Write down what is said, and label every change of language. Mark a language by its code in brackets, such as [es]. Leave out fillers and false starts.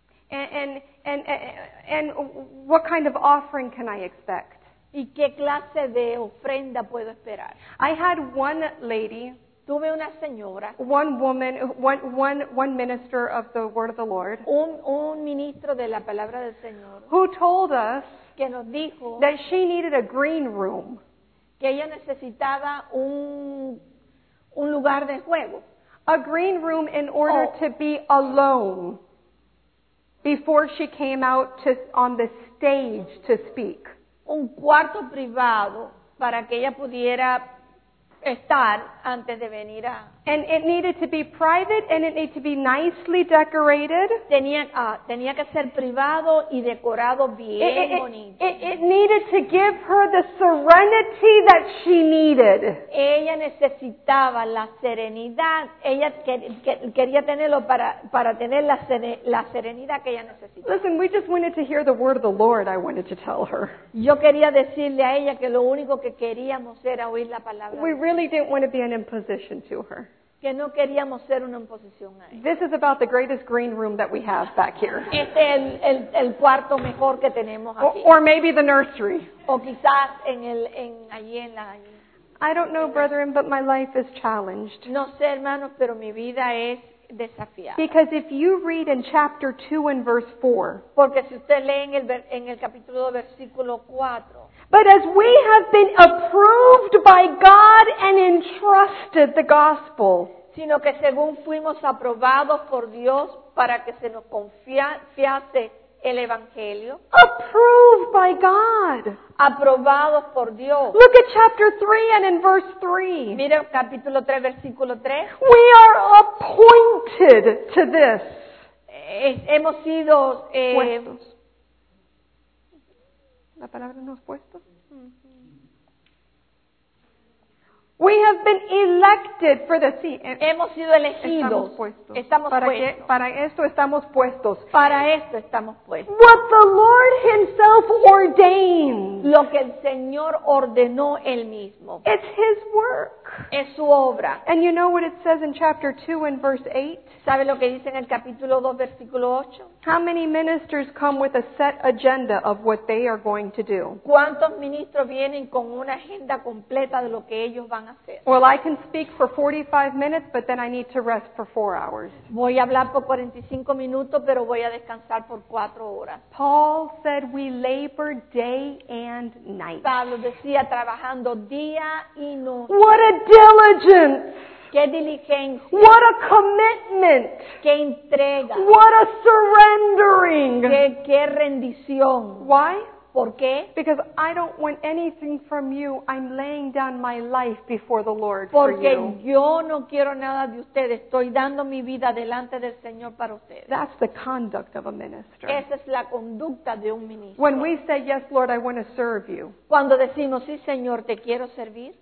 [en] And what kind of offering can I expect? [es] ¿Y qué clase de ofrenda puedo esperar? [en] I had one lady. [es] Tuve una señora. [en] One woman, one minister of the word of the Lord. [es] Un ministro de la palabra del Señor. [en] Who told us [es] que nos dijo [en] that she needed a green room. [es] Que ella necesitaba un lugar de juego. [en] A green room in order to be alone before she came out on the stage to speak. [es] Un cuarto privado para que ella pudiera estar antes de venir a... [en] And it needed to be private and it needed to be nicely decorated. [es] Tenía que ser privado y decorado bien bonito. [en] It needed to give her the serenity that she needed. [es] Ella necesitaba la serenidad. Ella quería tenerlo para tener la serenidad que ella necesitaba. [en] Listen, we just wanted to hear the word of the Lord, I wanted to tell her. [es] Yo quería decirle a ella que lo único que queríamos era oír la palabra. [en] We really didn't want to be an imposition to her. [es] Que no queríamos ser una imposición ahí. [en] This is about the greatest green room that we have back here. [es] Este es el cuarto mejor que tenemos aquí. [en] Or maybe the nursery. [es] O quizás allí. [en] I don't know, brethren, but my life is challenged. [es] No sé, hermanos, pero mi vida es desafiada. [en] Because if you read in chapter 2 and verse 4. [es] Porque si usted lee en el capítulo 2, versículo 4. [en] But as we have been approved by God and entrusted the gospel. [es] Sino que según fuimos aprobados por Dios para que se nos confiase el evangelio. [en] Approved by God. [es] Aprobados por Dios. [en] Look at chapter 3 and in verse 3. [es] Mira capítulo 3, versículo 3. [en] We are appointed to this. [es] Hemos sido... La palabra nos ha puesto. [en] We have been elected for the sea. [es] Hemos sido elegidos. Estamos puestos. Estamos para puestos. Para esto estamos puestos. Para esto estamos puestos. [en] What the Lord Himself ordained. [es] Lo que el Señor ordenó Él mismo. [en] It's His work. [es] Es su obra. [en] And you know what it says in chapter 2 and verse 8? [es] ¿Sabe lo que dice en el capítulo 2, versículo 8? [en] How many ministers come with a set agenda of what they are going to do? [es] ¿Cuántos ministros vienen con una agenda completa de lo que ellos van a hacer? [en] Well, I can speak for 45 minutes, but then I need to rest for 4 hours. [es] Voy a hablar por 45 minutos, pero voy a descansar por 4 horas. [en] Paul said we labor day and night. [es] Pablo decía trabajando día y noche. [en] What a diligence! [es] Qué diligencia. [en] What a commitment! [es] Qué entrega. [en] What a surrendering! [es] Qué rendición. [en] Why? [es] ¿Por qué? [en] Because I don't want anything from you. I'm laying down my life before the Lord. [es] Porque [en] for you. [es] Yo no quiero nada de ustedes. Estoy dando mi vida delante del Señor para ustedes. [en] That's the conduct of a minister. [es] Esa es la conducta de un ministro. [en] When we say yes, Lord, I want to serve you. [es] Cuando decimos sí, Señor, te quiero servir.